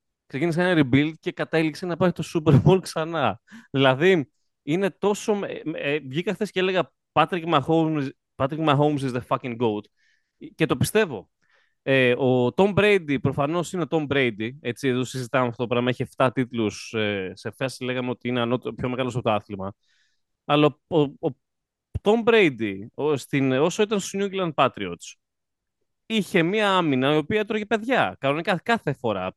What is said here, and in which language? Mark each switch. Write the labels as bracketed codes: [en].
[el] Ξεκίνησε ένα rebuild και κατέληξε να πάει το Super Bowl ξανά. Δηλαδή, είναι τόσο... βγήκα χθες και έλεγα [en] Patrick Mahomes is the fucking goat. [el] Και το πιστεύω. Ο Tom Brady, προφανώς είναι ο Tom Brady, έτσι εδώ συζητάμε αυτό το πράγμα, έχει 7 τίτλους. Σε φάση λέγαμε ότι είναι πιο μεγάλος από το άθλημα. Αλλά ο Tom Brady, όσο ήταν στους New England Patriots, είχε μία άμυνα η οποία έτρωγε παιδιά, κανονικά κάθε φορά.